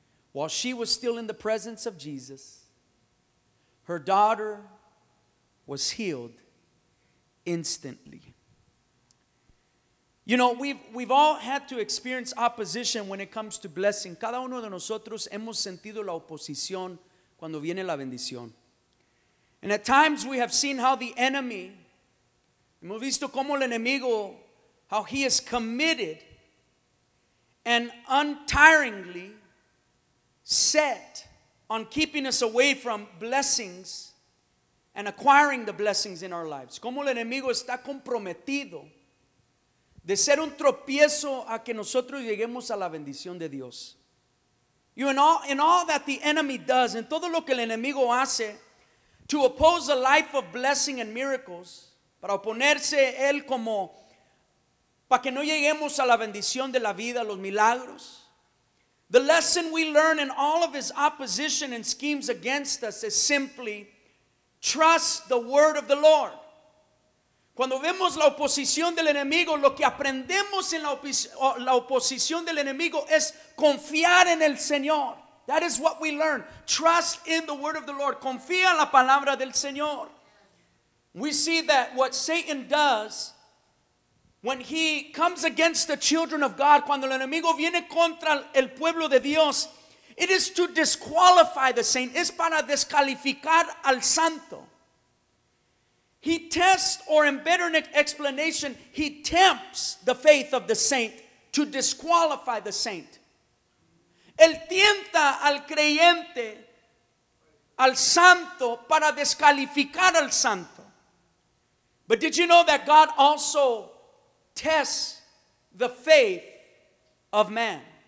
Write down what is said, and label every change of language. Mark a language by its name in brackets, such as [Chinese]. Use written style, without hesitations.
[English] While she was still in the presence of Jesus, her daughter was healed instantly." You know, we've all had to experience opposition when it comes to blessing. [Spanish] Cada uno de nosotros hemos sentido la oposición cuando viene la bendición. [English] And at times we have seen how the enemy, [Spanish] hemos visto como el enemigo, [English] how he is committed and untiringly set on keeping us away from blessings and acquiring the blessings in our lives. [Spanish] Como el enemigo está comprometido de ser un tropiezo a que nosotros lleguemos a la bendición de Dios. [English] You and all that the enemy does, and [Spanish] todo lo que el enemigo hace [English] to oppose a life of blessing and miracles, [Spanish] para oponerse él como para que no lleguemos a la bendición de la vida, los milagros. [English] The lesson we learn in all of his opposition and schemes against us is simply trust the word of the Lord. [Spanish] Cuando vemos la oposición del enemigo, lo que aprendemos en la oposición del enemigo es confiar en el Señor. [English] That is what we learn. Trust in the word of the Lord. [Spanish] Confía en la palabra del Señor. [English] We see that what Satan does when he comes against the children of God, [Spanish] cuando el enemigo viene contra el pueblo de Dios, [English] it is to disqualify the saint. [Spanish] Es para descalificar al santo. [English] He tests, or in better explanation, he tempts the faith of the saint to disqualify the saint. [Spanish] Él tienta al creyente, al santo, para descalificar al santo. [English] But did you know that God also test the faith of man?